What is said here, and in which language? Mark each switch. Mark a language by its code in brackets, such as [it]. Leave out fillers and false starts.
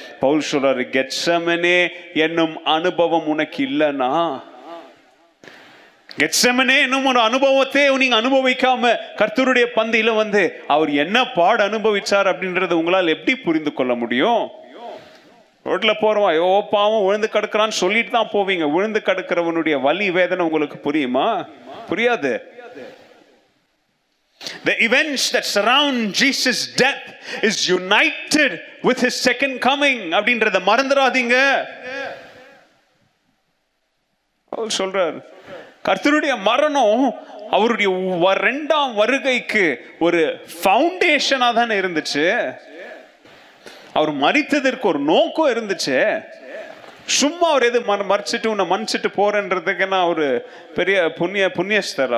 [ta] பவுல் சொல்றாரு, கெத்செமனே என்னும் அனுபவம் உனக்கு இல்லைனா, கெத்செமனே என்னும் ஒரு அனுபவத்தை நீங்க அனுபவிக்காம கர்த்தருடைய பந்தியில் வந்து அவர் என்ன பாடு அனுபவிச்சார் அப்படின்றத உங்களால் எப்படி புரிந்து கொள்ள முடியும். ரோட்ல போறோம், ஐயோ பாவம் விழுந்து கடக்குறான்னு சொல்லிட்டு தான் போவீங்க. விழுந்து கடக்கிறவனுடைய வலி வேதனை உங்களுக்கு புரியுமா? புரியாது. [en] The events that surround Jesus' death is united with his second coming. [ta] அப்படின்றத மறந்துடாதீங்க. அவர் சொல்றார், கர்த்தருடைய மரணம் அவருடைய இரண்டாம் வருகைக்கு ஒரு ஃபவுண்டேஷனா தான் இருந்துச்சு. அவர் மரித்ததற்கு ஒரு நோக்கம் இருந்துச்சு. சும்மா அவர் எது மறிச்சிட்டு மன்னிச்சிட்டு போறன்றதுக்கு நான் ஒரு பெரிய புண்ணிய புண்ணியஸ்தர்.